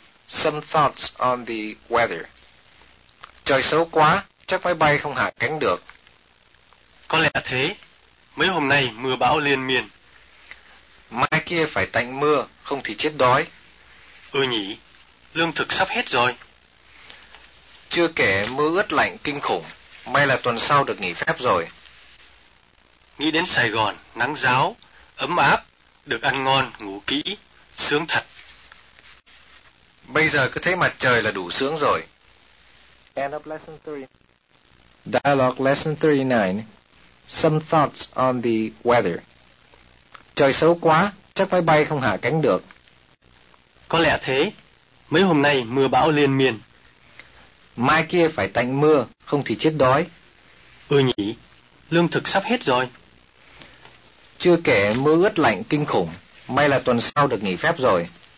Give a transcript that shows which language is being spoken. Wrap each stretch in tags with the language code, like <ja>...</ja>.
<en>Some thoughts on the weather.</en> <vi>Trời xấu quá, chắc máy bay không hạ cánh được. Có lẽ thế. Mấy hôm nay mưa bão liên miên. Mai kia phải tạnh mưa, không thì chết đói. Ừ nhỉ, lương thực sắp hết rồi. Chưa kể mưa ướt lạnh kinh khủng, may là tuần sau được nghỉ phép rồi. Nghĩ đến Sài Gòn, nắng ráo, ấm áp, được ăn ngon, ngủ kỹ, sướng thật. Bây giờ cứ thấy mặt trời là đủ sướng rồi.</vi> <en>End of lesson 3. Dialogue lesson 39. Some thoughts on the weather.</en> <vi>Trời xấu quá, chắc máy bay không hạ cánh được. Có lẽ thế. Mấy hôm nay mưa bão liên miên. Mai kia phải tạnh mưa, không thì chết đói. Ừ nhỉ, lương thực sắp hết rồi. Chưa kể mưa ướt lạnh kinh khủng, may là tuần sau được nghỉ phép rồi.</vi>